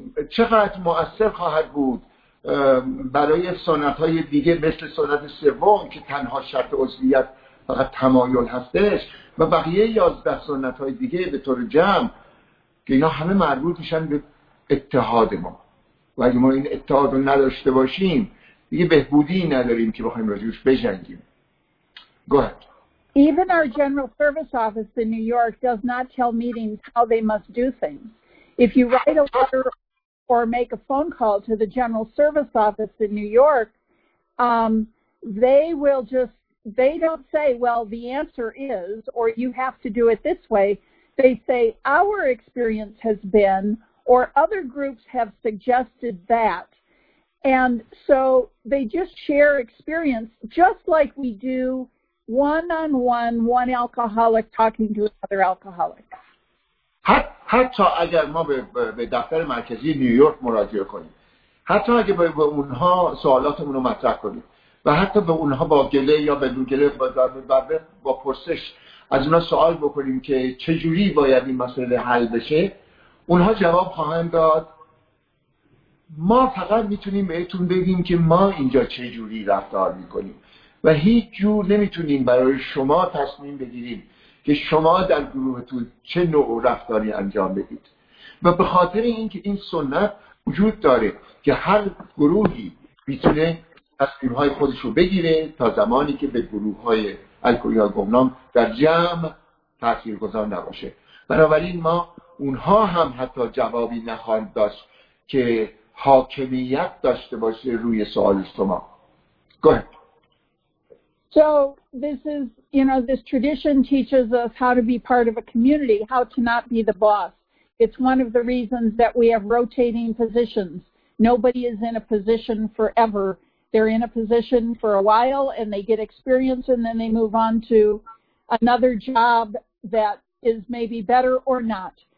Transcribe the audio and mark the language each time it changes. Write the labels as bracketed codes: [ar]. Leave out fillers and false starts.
[fa] چقدر مؤثر خواهد بود برای سنت‌های دیگه مثل سنت سوم که تنها شرط عضویت فقط تمایل هستش و بقیه 11 سنت‌های دیگه به طور جمع که اینا همه مربوط میشن به اتحاد ما و اگه ما این اتحاد رو نداشته باشیم یه بهبودی نداریم که بخوایم راجعش بجنگیم. [en] Go ahead. Even our General Service Office in New York does not tell meetings how they must do things. If you write a letter or make a phone call to the General Service Office in New York, they don't say, well, the answer is, or you have to do it this way. They say, our experience has been, or other groups have suggested that. And so they just share experience, just like we do one-on-one, one alcoholic talking to another alcoholic. [fa] حتی اگر ما به دفتر مرکزی نیویورک مراجعه کنیم، حتی اگر به اونها سوالاتمون رو مطرح کنیم، و حتی به اونها با گله یا بدون گله با پرسش از اونها سوال بکنیم که چجوری باید این مسئله حل بشه، اونها جواب خواهند داد، ما فقط میتونیم بهتون بگیم که ما اینجا چه جوری رفتار میکنیم و هیچ جور نمیتونیم برای شما تصمیم بگیریم که شما در گروهتون چه نوع رفتاری انجام بدید و به خاطر اینکه این سنت وجود داره که هر گروهی میتونه تصمیمهای خودش رو بگیره تا زمانی که به گروههای الکلی یا گمنام در جمع تاثیرگذار نباشه، بنابراین ما اونها هم حتی جوابی نخواهند داشت که حاکمیت داشته باشه روی سوال شما. [en] Go ahead. So this is, you know, this tradition teaches us how to be part of a community, how to not be the boss. It's one of the reasons that we have rotating positions. Nobody is in a position forever. They're in a position for a while and they get experience and then they move on to another job that is maybe better or not.